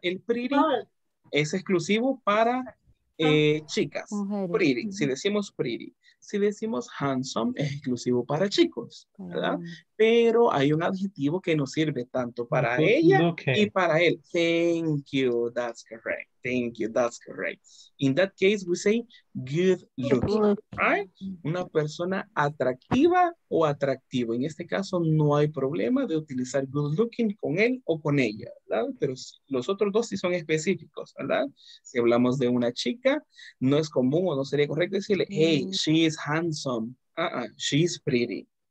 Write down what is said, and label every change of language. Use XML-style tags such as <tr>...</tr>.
<es>El pretty es exclusivo para chicas. Mujeres. Pretty, si decimos pretty. Si decimos handsome, es exclusivo para chicos, ¿verdad? Pero hay un adjetivo que nos sirve tanto para ella y para él.</es> <en>Thank you, that's correct. Thank you, that's correct. In that case, we say good looking, right?</en> <es>Una persona atractiva o atractivo. En este caso, no hay problema de utilizar good looking con él o con ella, ¿verdad? Pero los otros dos sí son específicos, ¿verdad? Si hablamos de una chica, no es común o no sería correcto decirle, hey,</es> <en>she is handsome. She is pretty.</en>